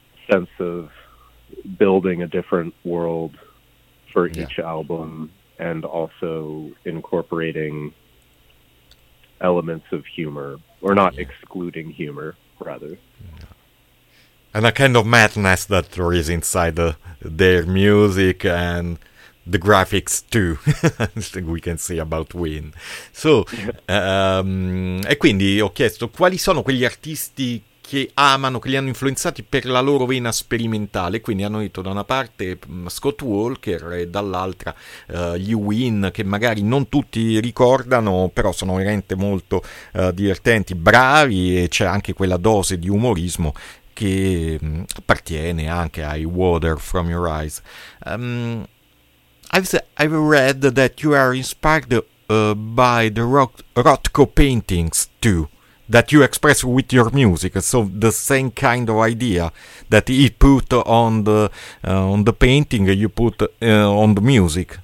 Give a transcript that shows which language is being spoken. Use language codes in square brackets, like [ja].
[en] sense of building a different world for each album, and also incorporating elements of humor, or not excluding humor, rather. And a kind of madness that there is inside their music and the graphics too, we can say about Ween. [it] So, e quindi ho chiesto quali sono quegli artisti che amano, che li hanno influenzati per la loro vena sperimentale. Quindi hanno detto da una parte Scott Walker e dall'altra gli Ween, che magari non tutti ricordano, però sono veramente molto divertenti, bravi, e c'è anche quella dose di umorismo che appartiene anche ai Water From Your Eyes. [en] I've read that you are inspired by the Rothko paintings too, that you express with your music, so the same kind of idea that he put on the painting, you put on the music.